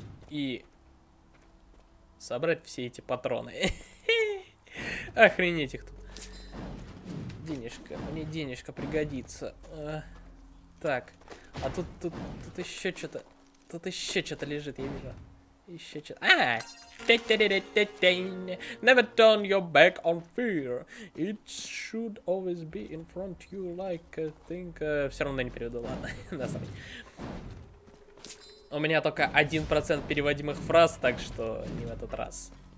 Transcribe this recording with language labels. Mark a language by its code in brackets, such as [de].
[ru] И собрать все эти патроны. Охренеть их тут. Денежка, мне денежка пригодится. Так, а тут еще что-то. Тут еще что-то лежит, я вижу. Еще что-то. А! [en] Never turn your back on fear. It should always be in front you like a thing. [ru] Все равно не переведу, ладно. Насрать. У меня только 1% переводимых фраз, так что не в этот раз.